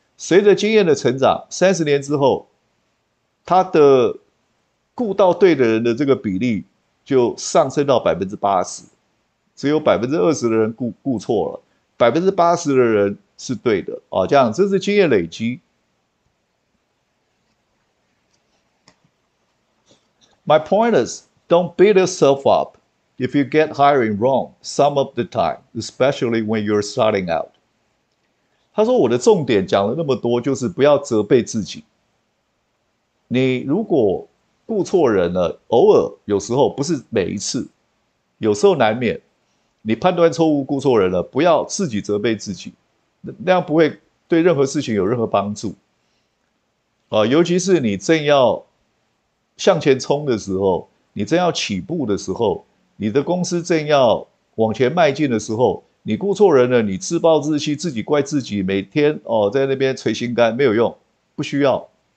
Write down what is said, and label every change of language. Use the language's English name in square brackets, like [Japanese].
[Chinese] 随着经验的成长，30年之后，他的雇到对的人的这个比例就上升到 80%， 只有 20% 的人雇错了， 80% 的人是对的，这样，这是经验累积。 [English] My point is, don't beat yourself up if you get hiring wrong some of the time, especially when you're starting out. [Chinese] 他说我的重点讲了那么多，就是不要责备自己。你如果雇错人了，偶尔有时候不是每一次，有时候难免你判断错误雇错人了，不要自己责备自己，那样不会对任何事情有任何帮助，尤其是你正要向前冲的时候，你正要起步的时候，你的公司正要往前迈进的时候，你雇错人了，你自暴自弃，自己怪自己，每天，在那边捶心肝没有用，不需要。